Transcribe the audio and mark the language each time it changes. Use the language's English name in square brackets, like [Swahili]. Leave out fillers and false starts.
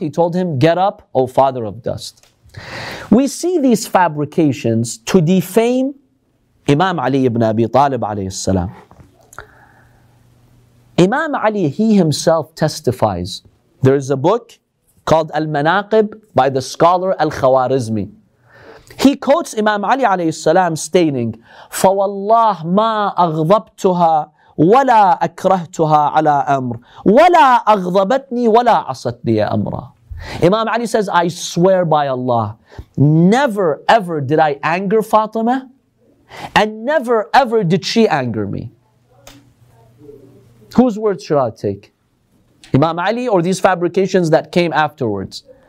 [English] He told him, get up, O father of dust. We see these fabrications to defame Imam Ali ibn Abi Talib alayhi salam. Imam Ali, he himself testifies. There is a book called Al-Manaqib by the scholar Al-Khawarizmi. He quotes Imam Ali alayhi salam stating, [Arabic] فَوَاللَّهْ مَا أَغْضَبْتُهَا وَلَا أَكْرَهْتُهَا عَلَىٰ أَمْرٍ وَلَا أَغْضَبَتْنِي وَلَا عَصَتْنِيَ أَمْرًا. [English] Imam Ali says, I swear by Allah, never ever did I anger Fatima, and never ever did she anger me. Whose words should I take? Imam Ali or these fabrications that came afterwards?